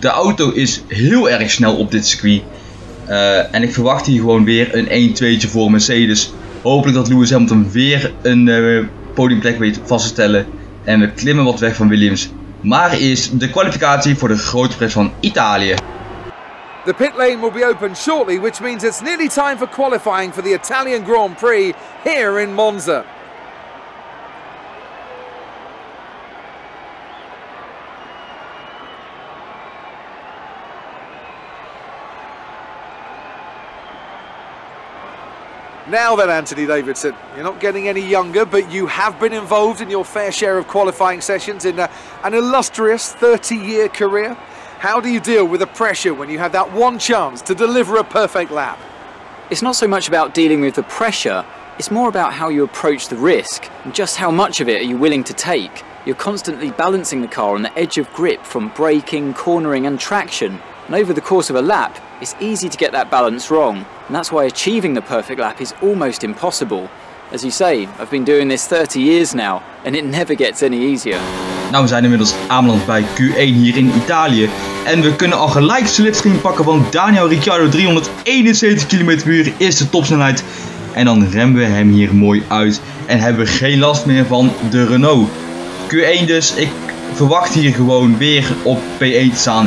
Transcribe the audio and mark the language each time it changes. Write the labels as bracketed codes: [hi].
[nl] De auto is heel erg snel op dit circuit. En ik verwacht hier gewoon weer een 1-2'tje voor Mercedes. Hopelijk dat Lewis Hamilton weer een podiumplek weet vast te stellen. En we klimmen wat weg van Williams. Maar eerst de kwalificatie voor de grote prijs van Italië. [en] The pit lane will be open shortly, which means it's nearly time for qualifying for the Italian Grand Prix here in Monza. Now then, Anthony Davidson, you're not getting any younger, but you have been involved in your fair share of qualifying sessions in an illustrious 30-year career. How do you deal with the pressure when you have that one chance to deliver a perfect lap? It's not so much about dealing with the pressure, it's more about how you approach the risk and just how much of it are you willing to take. You're constantly balancing the car on the edge of grip from braking, cornering and traction. And over the course of a lap, it's easy to get that balance wrong. And that's why achieving the perfect lap is almost impossible. As you say, I've been doing this 30 years now, and it never gets any easier. [nl] Nou, we zijn inmiddels aanbeland bij Q1 hier in Italië. En we kunnen al gelijk slipstream pakken van Daniel Ricciardo. 371 km/u is de topsnelheid. En dan remmen we hem hier mooi uit. En hebben we geen last meer van de Renault. Q1 dus, ik verwacht hier gewoon weer op P1 te staan.